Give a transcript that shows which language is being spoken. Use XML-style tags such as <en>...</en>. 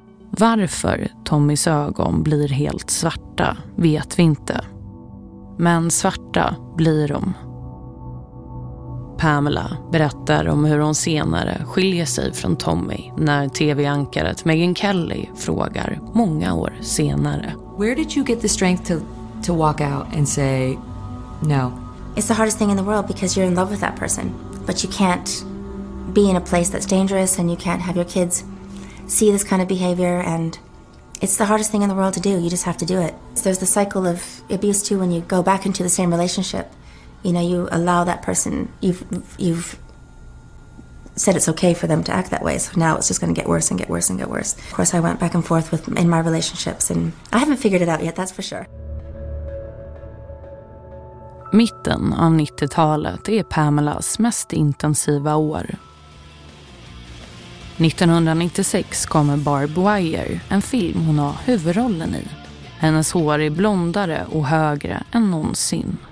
<sv>Varför Tommys ögon blir helt svarta vet vi inte. Men svarta blir de. Pamela berättar om hur hon senare skiljer sig från Tommy när TV-ankaret Megyn Kelly frågar många år senare.</sv> <en>Where did you get the strength to walk out and say no? It's the hardest thing in the world because you're in love with that person, but you can't be in a place that's dangerous and you can't have your kids see this kind of behavior, and it's the hardest thing in the world to do. You just have to do it. So there's the cycle of abuse too when you go back into the same relationship. You know, you allow that person, you've said it's okay for them to act that way. So now it's just going to get worse and get worse and get worse. Of course, I went back and forth with in my relationships and I haven't figured it out yet, that's for sure.</en> <sv>Mitten av 90-talet är Pamelas mest intensiva år. 1996 kommer Barb Wire, en film hon har huvudrollen i. Hennes hår är blondare och högre än någonsin.</sv>